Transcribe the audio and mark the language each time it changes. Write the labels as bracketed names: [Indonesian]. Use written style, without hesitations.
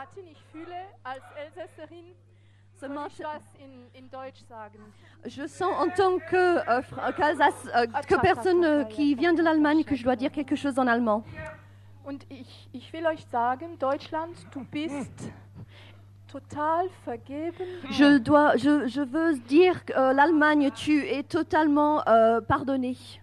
[German] Ich fühle, Martin, als Elsässerin, so Martin, ich was in Deutsch sagen. [French] Je sens en tant que personne qui vient de l'Allemagne que je dois dire quelque chose en allemand. [German] Und ich will euch sagen, Deutschland, du bist total vergeben. [French] Je veux dire, l'Allemagne, tu es totalement pardonné.